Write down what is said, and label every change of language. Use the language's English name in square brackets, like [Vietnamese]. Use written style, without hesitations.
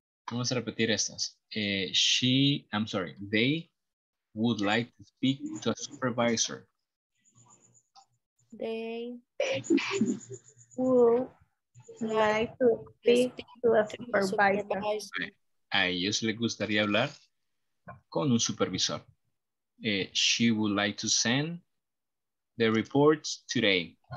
[Spanish] Vamos a repetir estas. [English] They would like to speak to a supervisor. They would like to speak to a supervisor. [Spanish] A ellos les gustaría hablar con un supervisor. [English] She would like to send the reports today.